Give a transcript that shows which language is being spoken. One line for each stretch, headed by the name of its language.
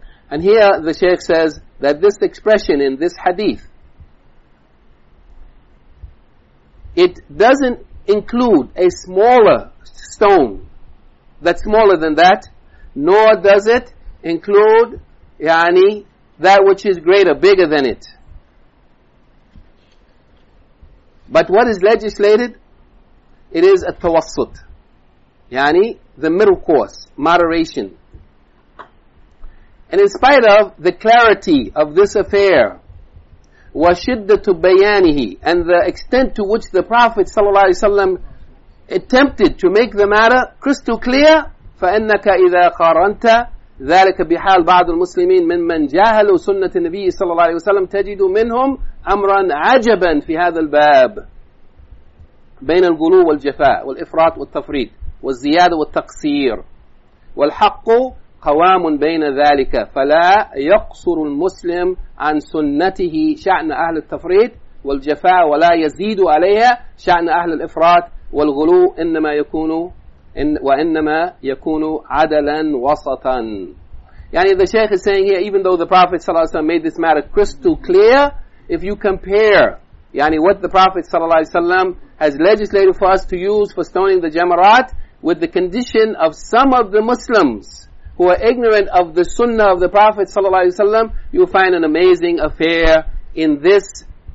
English: And here the Shaykh says that this expression in this hadith, it doesn't include a smaller stone that's smaller than that, nor does it include yani that which is greater, bigger than it. But what is legislated? It is التوسط. Yani, the middle course, moderation. And in spite of the clarity of this affair,
Arabic: وَشِدَّةُ بَيَانِهِ
English: and the extent to which the Prophet ﷺ attempted to make the matter crystal clear,
Arabic: فَإِنَّكَ إِذَا قَارَنْتَ ذَلَكَ بِحَالِ بَعْضُ الْمُسْلِمِينَ مِنْ جَاهَلُوا سُنَّةِ النَّبِيِّ صلى الله عليه وسلم تَجِدُوا مِنْهُمْ أَمْرًا عَجَبًا فِي هَذَا الْبَابِ بين الْغُلُو وَالْجَفَاءِ وَالْإِفْرَاطِ وَالْتَفْرِيدِ والزيادة والتقصير والحق قوام بين ذلك فلا يقصر المسلم عن سنته شأن أهل التفريط والجفاء ولا يزيد عليها شأن أهل الإفراط والغلو إنما يكون وإنما يكون عدلا وسطا.
English: يعني the Shaykh is saying here, even though the Prophet صلى الله عليه وسلم made this matter crystal clear, if you compare يعني what the Prophet صلى الله عليه وسلم has legislated for us to use for stoning the Jamarat with the condition of some of the Muslims who are ignorant of the sunnah of the Prophet sallallahu alaihi wasallam, you find an amazing affair in this